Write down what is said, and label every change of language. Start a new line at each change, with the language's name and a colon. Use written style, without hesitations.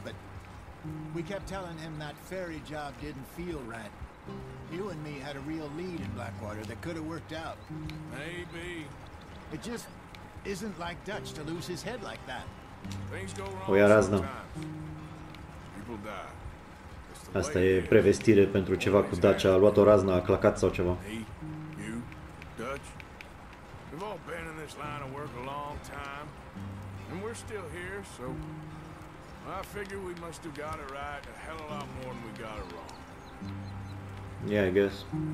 English: But we kept telling him that ferry job didn't feel right. You and me had a real lead in Blackwater that could have worked out. Maybe. It just isn't like Dutch to lose his head like that. Things go wrong. Oh, sometimes. People die.
Romanian: Asta e prevestire pentru ceva cu Dutch. A luat o razna, a clacat sau ceva.
English: Me, you, Dutch. We've all been in this line of work a long time. And we're still here, so I figure we must have got it right a hell of a lot more than we got it wrong. Yeah, I guess.